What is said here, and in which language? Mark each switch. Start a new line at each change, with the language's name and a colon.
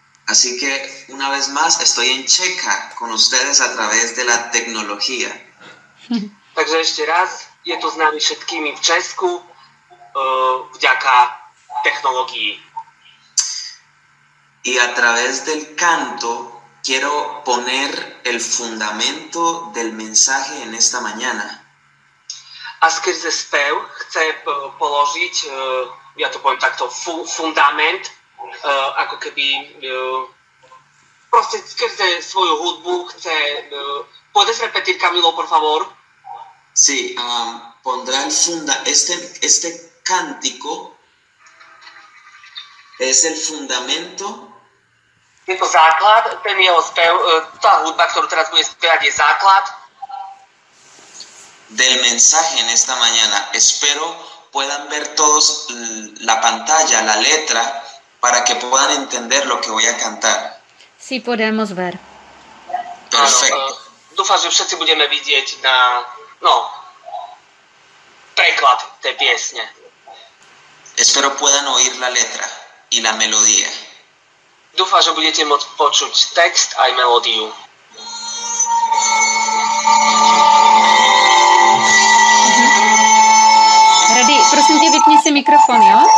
Spanish: Así que una vez más estoy en Checa con ustedes a través de la tecnología.
Slovak: Takže ešte raz, je to známy všetkými v Česku vďaka technológii.
Spanish: Y a través del canto quiero poner el fundamento del mensaje en esta mañana.
Slovak: A skrze spev chce položiť, ja to poviem takto, fundament, ako keby proste skrze svoju hudbu chce...
Spanish: Puedes repetir, Camilo, por favor? Sí, pondrá el este cántico es el fundamento.
Slovak: Je to základ, ten jeho spev, tá hudba, ktorú teraz bude spievať, je základ.
Spanish: Del mensaje en esta mañana. Espero puedan ver todos la pantalla, la letra, para que puedan entender lo que voy a cantar. Sí, podemos ver. Perfecto.
Slovak: Ano, dúfam, že všetci budeme vidieť na... No, preklad tej piesne.
Spanish: Espero puedan oír la letra y la melodía.
Slovak: Dúfam, že budete môcť počuť text aj melódiu. Rady, prosím ťa, vypni si mikrofón, jo?